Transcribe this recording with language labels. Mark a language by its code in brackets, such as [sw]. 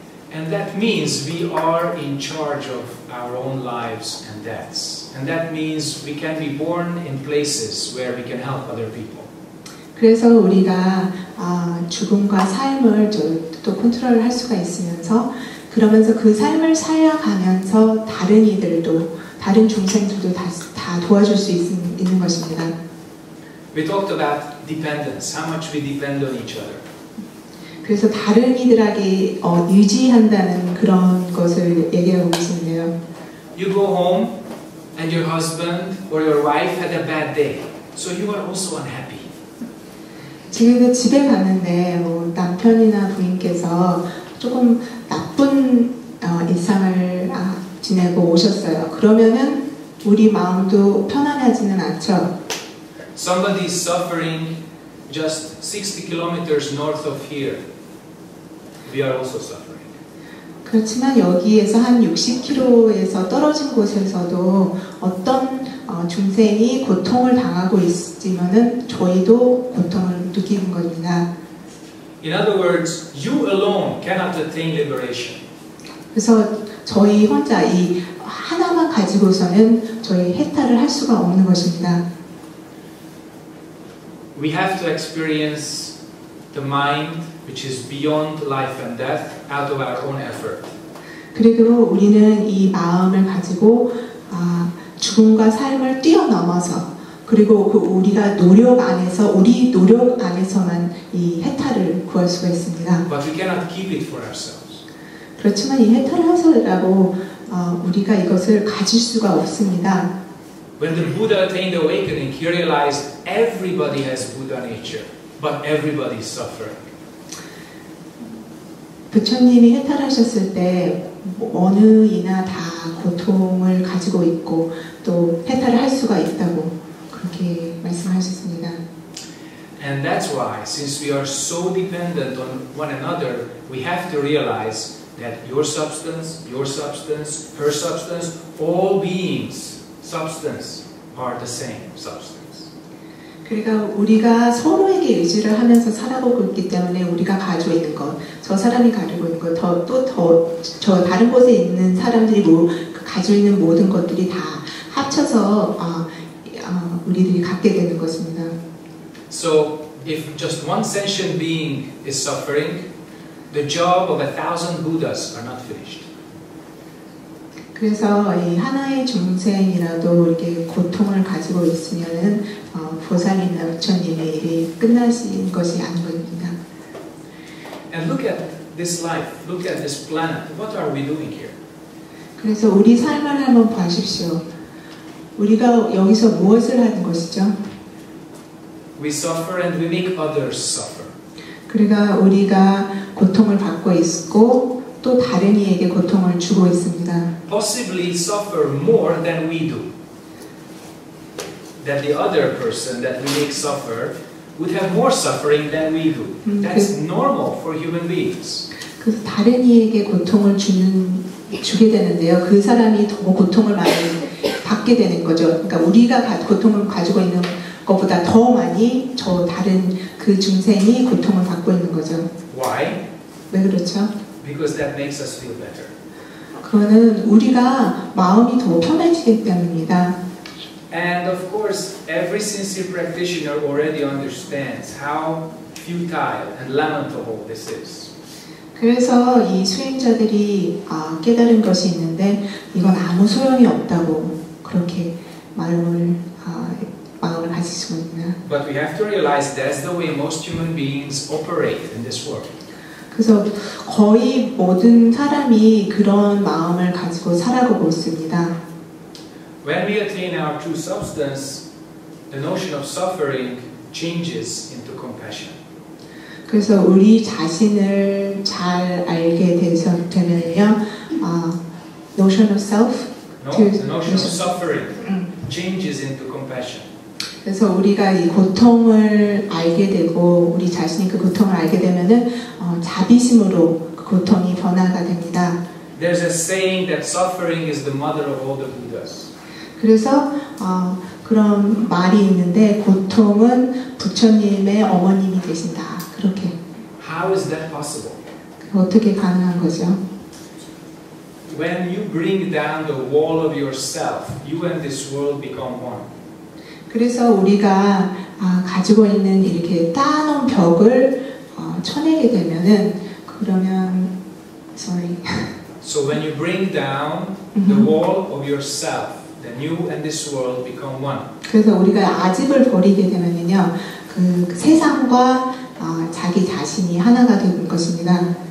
[en] And that means we are in charge of our own lives and deaths. And that means we can be born in places where we can help other people. [ko] 그래서 우리가 죽음과 삶을 또 컨트롤할 수가 있으면서 그러면서 그 삶을 살아가면서 다른 이들도 다른 중생들도 다 도와줄 수 있는 것입니다. [en] We talked about dependence. How much we depend on each other. [ko] 그래서 다른 이들에게 의지한다는 그런 것을 얘기하고 있었는데요. [en] You go home and your husband or your wife had a bad day. So you are also unhappy. [ko] 지금도 집에 갔는데 뭐 남편이나 부인께서 조금 나쁜 일상을 지내고 오셨어요. 그러면은 우리 마음도 편안하지는 않죠. [en] Somebody is suffering just 60 kilometers north of here. We are also suffering. [ko] 그렇지만 여기에서 한 60km에서 떨어진 곳에서도 어떤 중생이 고통을 당하고 있지만은 저희도 고통을 느끼는 겁니다. [en] In other words, you alone cannot attain liberation. [ko] 그래서 저희 혼자 이 하나만 가지고서는 저희 해탈을 할 수가 없는 것입니다. [en] We have to experience the mind which is beyond life and death out of our own effort. [ko] 그리고 우리는 이 마음을 가지고 죽음과 삶을 뛰어넘어서 그리고 그 우리가 노력 안에서 우리 노력 안에서만 이 해탈을 구할 수가 있습니다. [en] But we cannot keep it for ourselves. [ko] 그렇지만 이 해탈을 하서라고 우리가 이것을 가질 수가 없습니다. [en] When the Buddha attained awakening, he realized everybody has Buddha nature, but everybody is suffering. [ko] 부처님이 해탈하셨을 때 어느 이나 다 고통을 가지고 있고 또 해탈을 할 수가 있다고 그렇게 말씀하셨습니다. [en] And that's why, since we are so dependent on one another, we have to realize that your substance, her substance, all beings' substance are the same substance. [ko] 그러니까 우리가 서로에게 의지를 하면서 살아보고 있기 때문에 우리가 가지고 있는 것, 저 사람이 가지고 있는 것, 저 다른 곳에 있는 사람들이 가지고 있는 모든 것들이 다 합쳐서 우리들이 갖게 되는 것입니다. [en] So if just one sentient being is suffering, the job of 1,000 Buddhas are not finished. [ko] 그래서 이 하나의 중생이라도 이렇게 고통을 가지고 있으면은 보살이나 부처님의 일이 끝나신 것이 아닌 겁니다. [en] And look at this life. Look at this planet. What are we doing here? [ko] 그래서 우리 삶을 한번 보십시오. 우리가 여기서 무엇을 하는 것이죠? [en] We suffer and we make others suffer. [ko] 그러니까 우리가 고통을 받고 있고 또 다른 이에게 고통을 주고 있습니다. [en] Possibly suffer more than we do. that the other person that we make suffer would have more suffering than we do. That's normal for human beings. [ko] 그래서 다른 이에게 고통을 주게 되는데요. 그 사람이 더 고통을 많이 받게 되는 거죠. 그러니까 우리가 고통을 가지고 있는 것보다 더 많이 저 다른 그 중생이 고통을 받고 있는 거죠. [en] Why? [ko] 왜 그렇죠? [en] Because that makes us feel better. [ko] 그거는 우리가 마음이 더 편해지기 때문입니다. [en] And of course, every sincere practitioner already understands how futile and lamentable this is. [ko] 그래서 이 수행자들이 깨달은 것이 있는데 이건 아무 소용이 없다고 그렇게 마음을 가질 수 있나. [en] But we have to realize that's the way most human beings operate in this world. [ko] 그래서 거의 모든 사람이 그런 마음을 가지고 살아가고 있습니다. [en] When we attain our true substance, the notion of suffering changes into compassion. [ko] 그래서 우리 자신을 잘 알게 되면요, [en] notion of self, the notion of suffering changes into compassion. [ko] 그래서 우리가 이 고통을 알게 되고 우리 자신이 그 고통을 알게 되면은 자비심으로 그 고통이 변화가 됩니다. [en] There's a saying that suffering is the mother of all the Buddhas. [ko] 그래서 그런 말이 있는데 고통은 부처님의 어머님이 되신다. 그렇게. [en] How is that possible? [ko] 어떻게 가능한 거죠? [en] When you bring down the wall of yourself, you and this world become one. [ko] 그래서 우리가 가지고 있는 이렇게 따놓은 벽을 쳐내게 되면은 그러면 sorry. [en] So when you bring down the wall of yourself, then you and this world become one. [ko] 그래서 우리가 아집을 버리게 되면은요 그 세상과 자기 자신이 하나가 되는 것입니다.